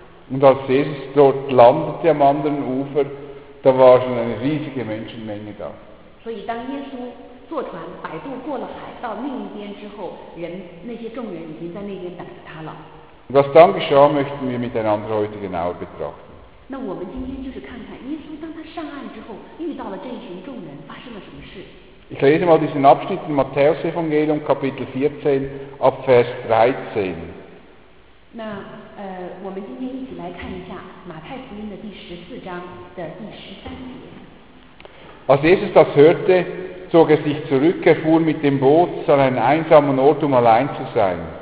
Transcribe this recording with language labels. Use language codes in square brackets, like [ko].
[de] Und als Jesus dort landete am anderen Ufer, da war schon eine riesige Menschenmenge da. Und Und was dann geschah, möchten wir miteinander heute genauer betrachten. [zh] 那我们今天就是看看耶稣当他上岸之后遇到了这群众人发生了什么事。 [de] Ich lese mal diesen Abschnitt in Matthäus Evangelium Kapitel 14 ab Vers 13. [zh] 那我们今天一起来看一下马太福音的第十四章的第十三节。 [de] Als Jesus das hörte, zog er sich zurück, er fuhr mit dem Boot an einen einsamen Ort, um allein zu sein.